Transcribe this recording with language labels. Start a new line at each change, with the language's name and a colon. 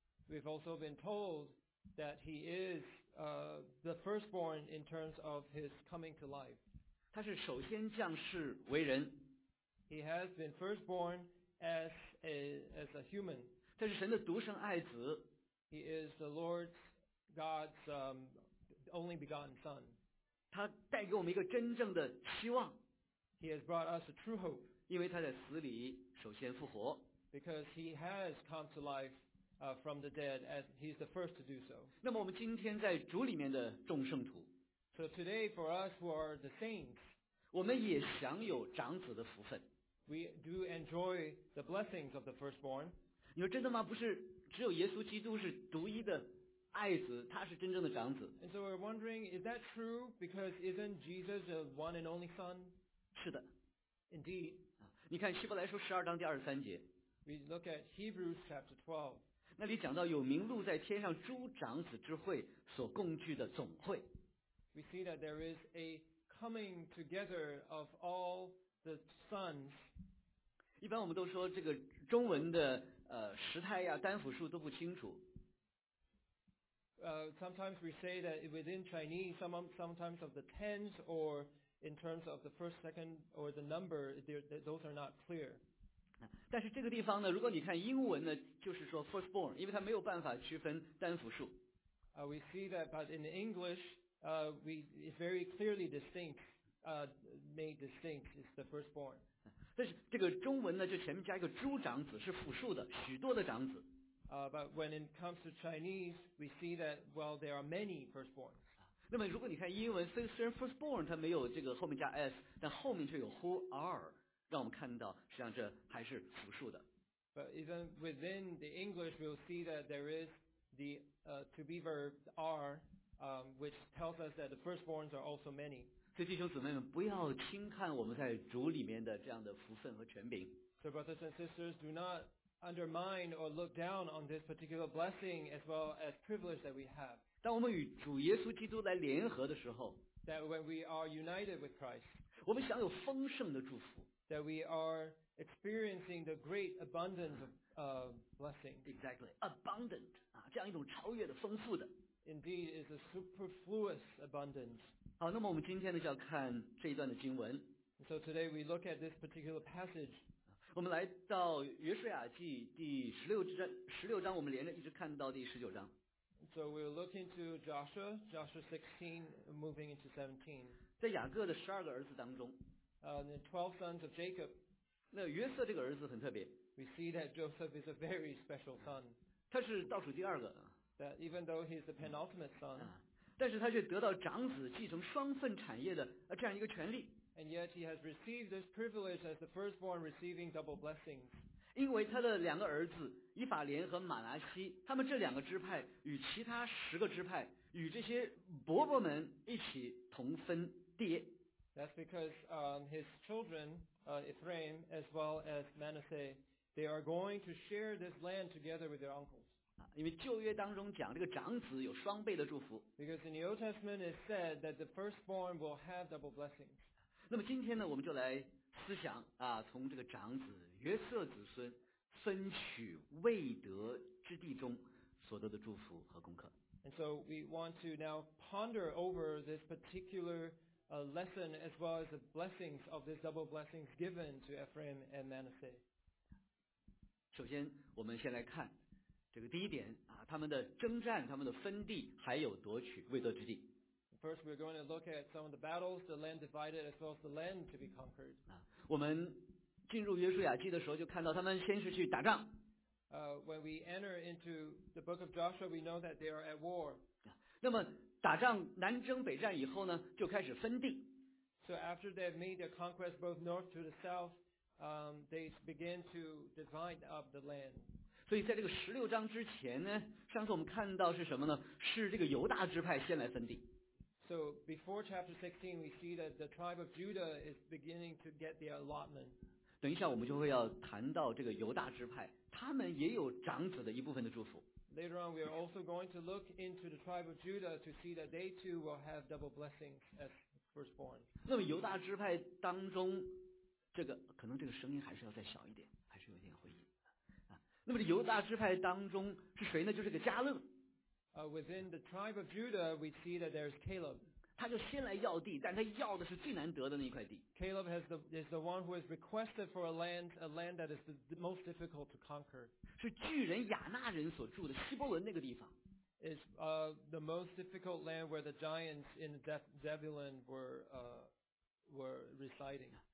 English: We've also been told that he is the firstborn in terms of his coming to life.
Chinese: 他是首先降世为人。
English: He has been firstborn as a human.
Chinese: 他是神的独生爱子。
English: He is the Lord's God's only begotten son.
Chinese: 他带给我们一个真正的希望。
English: He has brought us a true hope.
Chinese: 因为他在死里首先复活。
English: Because he has come to life from the dead, as he's the first to do so.
Chinese: 那么我们今天在主里面的众圣徒。
English: So today for us who are the saints,
Chinese: 我们也享有长子的福分。
English: We do enjoy the blessings of the firstborn.
Chinese: 你说真的吗？不是只有耶稣基督是独一的。爱子，他是真正的长子。
English: And so we're wondering, is that true? Because isn't Jesus the one and only son?
Chinese: 是的。
English: Indeed,
Chinese: 你看希伯来书十二章第二十三节。
English: We look at Hebrews chapter 12.
Chinese: 那里讲到有名录在天上诸长子之会所共聚的总会。
English: We see that there is a coming together of all the sons.
Chinese: 一般我们都说这个中文的时态呀、单复数都不清楚。
English: Sometimes we say that within Chinese, sometimes of the tens or in terms of the first, second, or the number, those are not clear.
Chinese: 但是这个地方呢，如果你看英文呢，就是说 firstborn， 因为它没有办法区分单复数。
English: We see that, but in English, it's very clearly distinct, made distinct is the firstborn.
Chinese: 但是这个中文呢，就前面加一个诸长子，是复数的，许多的长子。
English: But when it comes to Chinese, we see that, well, there are many firstborns.
Chinese: 那么如果你看英文，虽然 firstborn 它没有这个后面加 s， 但后面却有
English: who are，
Chinese: 让我们看到实际上这还是复数的。
English: But even within the English, we'll see that there is the to be verb are, which tells us that the firstborns are also many.
Chinese: 所以弟兄姊妹们，不要轻看我们在主里面的这样的福分和权柄。
English: So brothers and sisters, do not undermine or look down on this particular blessing as well as privilege that we have.
Chinese: 当我们与主耶稣基督来联合的时候，
English: that when we are united with Christ,
Chinese: 我们享有丰盛的祝福，
English: that we are experiencing the great abundance of blessing. Exactly, abundant,
Chinese: 这样一种超越的丰富的。
English: Indeed, it's a superfluous abundance.
Chinese: 好，那么我们今天呢就要看这一段的经文。
English: So today we look at this particular passage.
Chinese: 我们来到约书亚记第十六章，我们连着一直看到第十九章。
English: So we'll look into Joshua 16, moving into 17.
Chinese: 在雅各的十二个儿子当中。
English: The 12 sons of Jacob.
Chinese: 那约瑟这个儿子很特别。
English: We see that Joseph is a very special son.
Chinese: 他是倒数第二个。
English: That even though he's the penultimate son.
Chinese: 但是他却得到长子继承双份产业的这样一个权利。
English: And yet he has received this privilege as the firstborn receiving double blessings.
Chinese: 因为他的两个儿子以法莲和马拿西，他们这两个支派与其他十个支派与这些伯伯们一起同分地。
English: That's because his children, Ephraim, as well as Manasseh, they are going to share this land together with their uncles.
Chinese: 因为旧约当中讲这个长子有双倍的祝福。
English: Because in the Old Testament it said that the firstborn will have double blessings.
Chinese: 那么今天呢，我们就来思想啊，从这个长子约瑟子孙分取未得之地中所得的祝福和功课。
English: And so we want to now ponder over this particular lesson as well as the blessings of this double blessings given to Ephraim and Manasseh.
Chinese: 首先，我们先来看这个第一点啊，他们的征战、他们的分地，还有夺取未得之地。
English: First, we're going to look at some of the battles, the land divided, as well as the land to be conquered.
Chinese: 我们进入约书亚记的时候，就看到他们先是去打仗。
English: When we enter into the book of Joshua, we know that they are at war.
Chinese: 那么打仗南征北战以后呢，就开始分地。
English: So after they have made their conquest both north to the south, they begin to divide up the land.
Chinese: 所以在这个十六章之前呢，上次我们看到是什么呢？是这个犹大支派先来分地。
English: So before chapter 16, we see that the tribe of Judah is beginning to get their allotment.
Chinese: 等一下我们就会要谈到这个犹大支派，他们也有长子的一部分的祝福。
English: Later on, we are also going to look into the tribe of Judah to see that they too will have double blessings as firstborn.
Chinese: 那么犹大支派当中，这个可能这个声音还是要再小一点，还是有点回音。那么犹大支派当中是谁呢？就是个迦勒。
English: Within the tribe of Judah, we see that there's Caleb.
Chinese: 他就先来要地，但他要的是最难得的那一块地。
English: Caleb is the one who has requested for a land that is the most difficult to conquer.
Chinese: 是巨人亚纳人所住的希伯伦那个地方。
English: Is the most difficult land where the giants in Zebulun were residing.